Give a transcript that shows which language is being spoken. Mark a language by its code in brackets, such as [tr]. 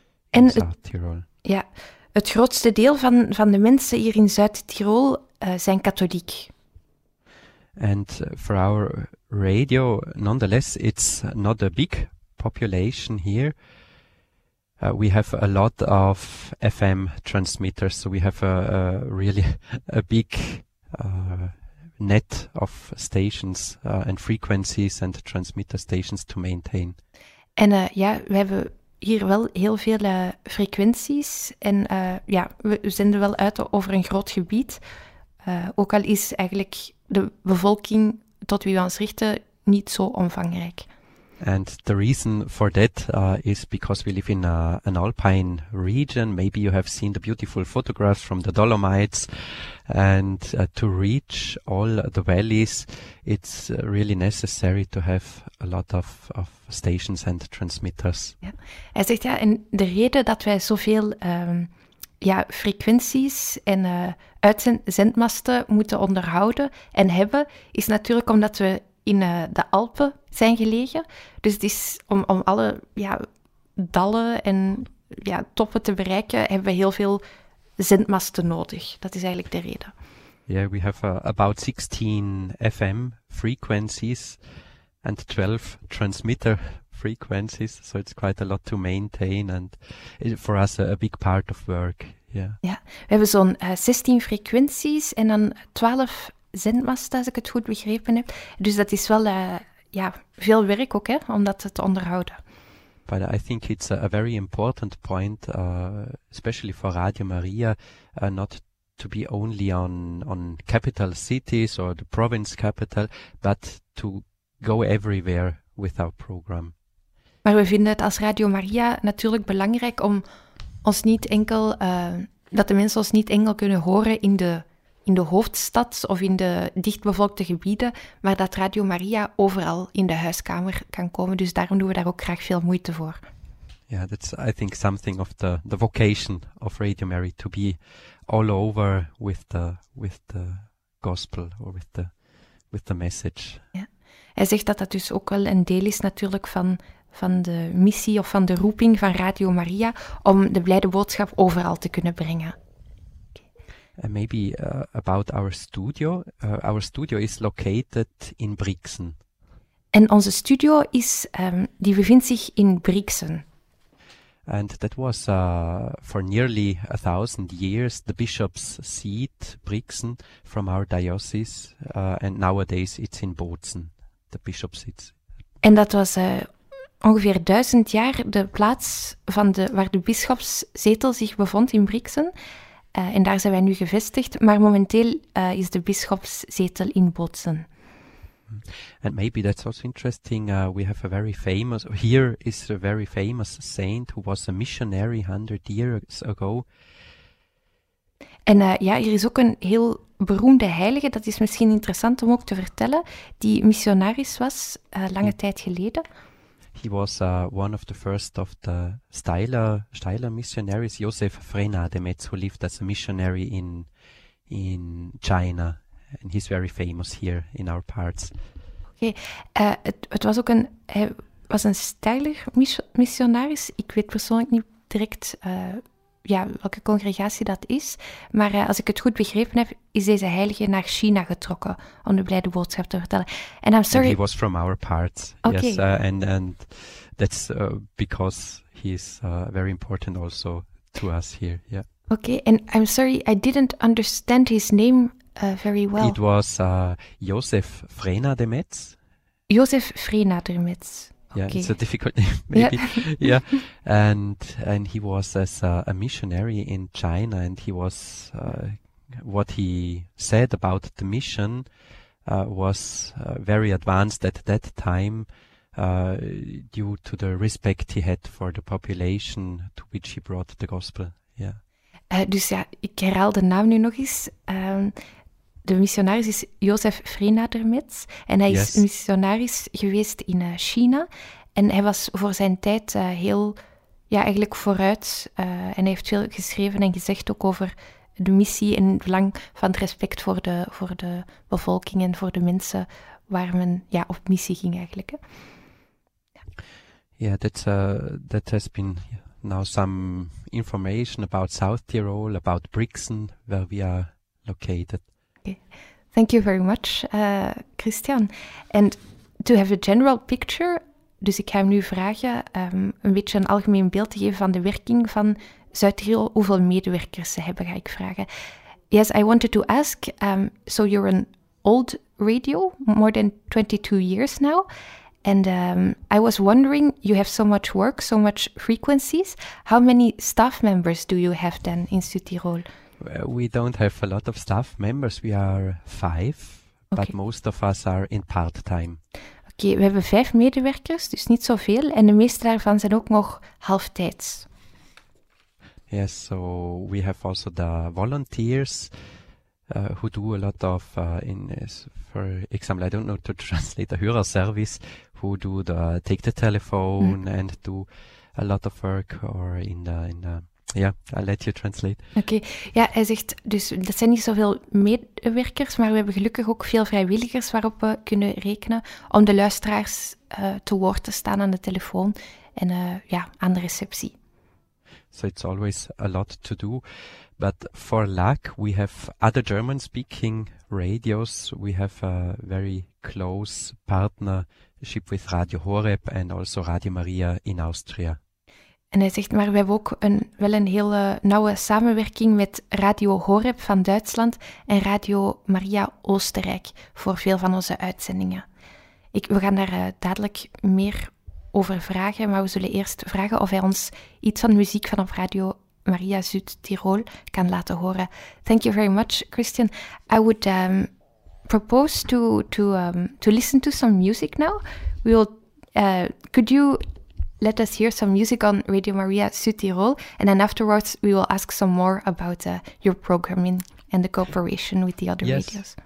[nl] En [en] in South Tyrol. [nl] Ja. Het grootste deel van de mensen hier in Zuid-Tirol zijn katholiek. [en] And for our radio, nonetheless, it's not a big population here. We have a lot of FM transmitters, so we have a really big net of stations and frequencies and transmitter stations to maintain. [nl] En we hebben hier wel heel veel frequenties en we zenden wel uit over een groot gebied. Ook al is eigenlijk de bevolking tot wie we ons richten niet zo omvangrijk. [en] And the reason for that is because we live in an alpine region. Maybe you have seen the beautiful photographs from the Dolomites. And to reach all the valleys, it's really necessary to have a lot of stations and transmitters. [nl] Ja. Hij zegt ja, en de reden dat wij zoveel frequenties en uitzendmasten moeten onderhouden en hebben, is natuurlijk omdat we in de Alpen zijn gelegen. Dus het is om alle dallen en toppen te bereiken, hebben we heel veel zendmasten nodig. Dat is eigenlijk de reden. [en] Yeah, we have about 16 FM frequencies and 12 transmitter frequencies. So it's quite a lot to maintain and for us a big part of work. Yeah. [nl] Ja, we hebben zo'n 16 frequenties en dan 12 zendmasten, als ik het goed begrepen heb. Dus dat is wel veel werk ook, hè, om dat te onderhouden. [en] But I think it's a very important point, especially for Radio Maria, not to be only on capital cities or the province capital, but to go everywhere with our program. [nl] Maar we vinden het als Radio Maria natuurlijk belangrijk om ons niet enkel, dat de mensen ons niet enkel kunnen horen in de hoofdstad of in de dichtbevolkte gebieden, maar dat Radio Maria overal in de huiskamer kan komen. Dus daarom doen we daar ook graag veel moeite voor. [en] Ja, yeah, that's I think something of the vocation of Radio Maria, to be all over with the gospel or with the message. [nl] Ja. Hij zegt dat dus ook wel een deel is natuurlijk van de missie of van de roeping van Radio Maria om de blijde boodschap overal te kunnen brengen. [en] And maybe about our studio. Our studio is located in Brixen. [nl] En onze studio is, die bevindt zich in Brixen. [en] And that was for nearly 1,000 years the bishop's seat, Brixen, from our diocese. And nowadays it's in Bozen, the bishop's seat. [nl] En dat was ongeveer 1,000 jaar de plaats waar de bisschopszetel zich bevond in Brixen. En daar zijn wij nu gevestigd, maar momenteel is de bisschopszetel in Bozen. [en] And maybe that's also interesting. We have a very famous, here is a very famous saint who was a missionary 100 years ago. [nl] En hier is ook een heel beroemde heilige, dat is misschien interessant om ook te vertellen, die missionaris was lange tijd geleden. [en] He was one of the first of the Steyler missionaries, Josef Frenna de Metz, who lived as a missionary in China. And he's very famous here in our parts. Okay. [nl] Het was ook een, hij was een Steyler missionaris. Ik weet persoonlijk niet direct welke congregatie dat is. Maar als ik het goed begrepen heb, is deze heilige naar China getrokken om de blijde boodschap te vertellen. [en] And I'm sorry. And he was from our part. Okay. Yes, and that's because he is very important also to us here. Yeah. Okay, and I'm sorry, I didn't understand his name very well. It was Josef Frenna de Metz. Josef Frenna de Metz. Yeah, okay. It's a difficult name, maybe. Yeah. Yeah. And he was as a missionary in China, and he was, what he said about the mission was very advanced at that time due to the respect he had for the population to which he brought the gospel. Yeah. [nl] Dus ja, ik herhaal de naam nu nog eens. De missionaris is Josef Frenna de Metz en hij is missionaris geweest in China. En hij was voor zijn tijd heel eigenlijk vooruit en hij heeft veel geschreven en gezegd ook over de missie en het belang van het respect voor de bevolking en voor de mensen waar men op missie ging eigenlijk. Hè. Ja, dat [en] has been... Yeah. Now some information about South Tyrol, about Brixen, where we are located. Okay. Thank you very much, Christian. And to have a general picture, [nl] dus ik ga hem nu vragen een beetje een algemeen beeld te geven van de werking van Zuid-Tyrol, hoeveel medewerkers ze hebben, ga ik vragen. [en] Yes, I wanted to ask, so you're an old radio, more than 22 years now, and I was wondering, you have so much work, so much frequencies. How many staff members do you have then in Südtirol? We don't have a lot of staff members. We are 5, okay. But most of us are in part-time. [nl] Okay, we hebben 5 medewerkers, dus niet zoveel. En de meeste daarvan zijn ook nog halftijds. [en] Yes, so we have also the volunteers. Who do a lot of, for example, I don't know to translate, the Hörer service, who do the take the telephone and do a lot of work or in the yeah, I'll let you translate. [nl] Okay, ja, hij zegt, dus dat zijn niet zoveel medewerkers, maar we hebben gelukkig ook veel vrijwilligers waarop we kunnen rekenen om de luisteraars te woord te staan aan de telefoon en aan de receptie. [en] So it's always a lot to do. But for luck, we have other German-speaking radios. We have a very close partnership with Radio Horeb and also Radio Maria in Austria. [nl] En hij zegt, maar we hebben ook een heel nauwe samenwerking met Radio Horeb van Duitsland en Radio Maria Oostenrijk voor veel van onze uitzendingen. We gaan daar dadelijk meer over vragen, maar we zullen eerst vragen of hij ons iets van muziek van op Radio Maria Zuid-Tirol kan laten horen. [en] Thank you very much, Christian. I would propose to listen to some music now. We will. Could you let us hear some music on Radio Maria Zuid-Tirol? And then afterwards, we will ask some more about your programming and the cooperation with the other radios.